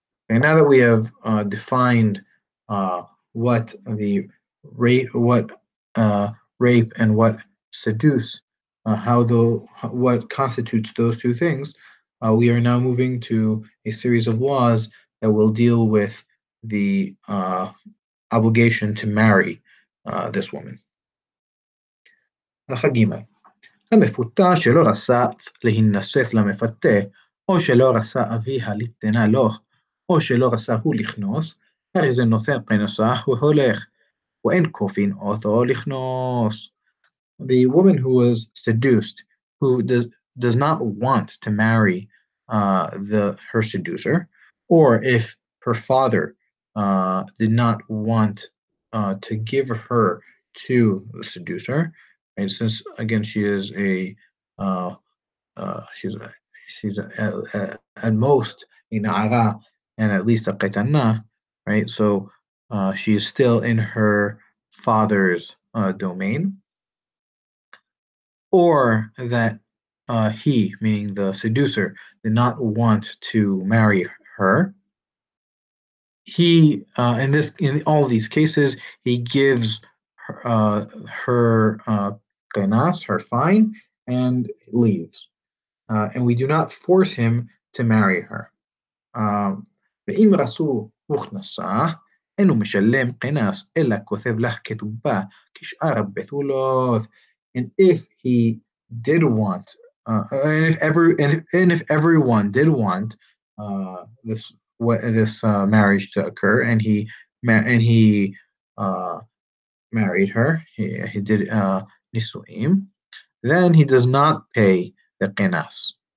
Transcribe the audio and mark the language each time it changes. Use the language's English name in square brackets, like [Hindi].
[English] Okay, now that we have defined what the rape, what rape and what seduce, what constitutes those two things, we are now moving to a series of laws that will deal with the obligation to marry this woman. Halakha Gimel. [Hebrew] המפותה שלא רשאת להינשף למפתה, או שלא רשא אביה לתנה לו, או שלא רשא הוא לכנוס, הרי זה נותן פרנסה והולך, ואין קופין אותו לכנוס. [English] The woman who was seduced, who does not want to marry her seducer, or if her father did not want to give her to the seducer, and since again she is a at most a na'ara and at least a qaitana, right? So she is still in her father's domain, or that he, meaning the seducer, did not want to marry her. He in all these cases, he gives her fine and leaves, and we do not force him to marry her. [Hebrew] ואם רסו הוכנסה, אין הוא משלם קנס, אלא כותב לך כתובה, כשאר הבתולות. [English] And if he did want, and if everyone did want marriage to occur, married her, he did nisuim, then he does not pay the qinas.